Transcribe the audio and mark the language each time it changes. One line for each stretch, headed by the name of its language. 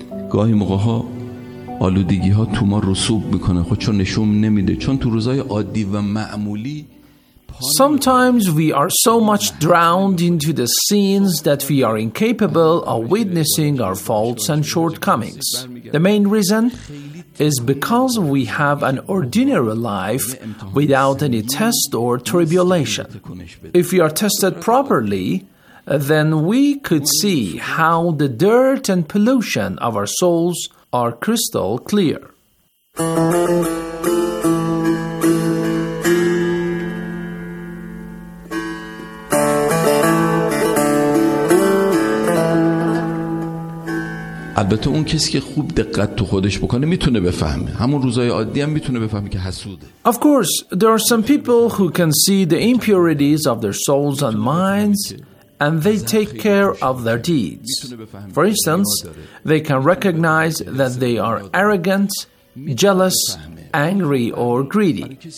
Persian: گاهی موقع ها آلودگی ها تو ما رسوب میکنه خود، چون نشون نمیده، چون تو روزای عادی و معمولی.
English: Sometimes we are so much drowned into the scenes that we are incapable of witnessing our faults and shortcomings. The main reason is because we have an ordinary life without any test or tribulation. If we are tested properly, then we could see how the dirt and pollution of our souls are crystal clear.
Persian: البته اون کسی که خوب دقت تو خودش بکنه میتونه بفهمه، همون روزای عادی هم میتونه بفهمه که حسوده.
English: Of course, there are some people who can see the impurities of their souls and minds, and they take care of their deeds. For instance, they can recognize that they are arrogant, jealous, angry, or greedy.